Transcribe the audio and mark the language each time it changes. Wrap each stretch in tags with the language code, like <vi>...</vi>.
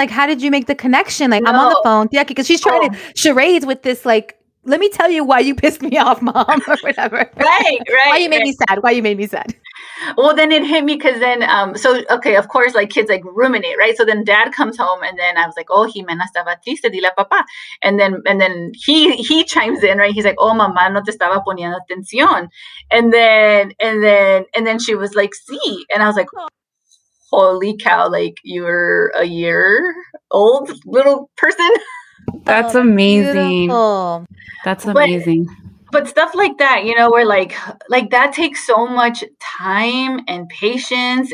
<en>Like, how did you make the connection? Like, no. I'm on the phone. Yeah, because she's trying to charades with this, like, let me tell you why you pissed me off, mom, or whatever. Right. Why you made me sad. Well, then it hit me because then, okay, of course, like kids like ruminate, right? So then dad comes home and then I was like, oh,</en> <es>Jimena estaba triste, dile a papá.</es> <en>And then he chimes in, right? He's like, oh,</en> <es>mamá no te estaba poniendo atención.</es> <en>And then she was like, sí. And I was like, holy cow, like you're a year old little person. That's amazing. Beautiful. That's amazing. But stuff like that, you know, where like that takes so much time and patience.</en>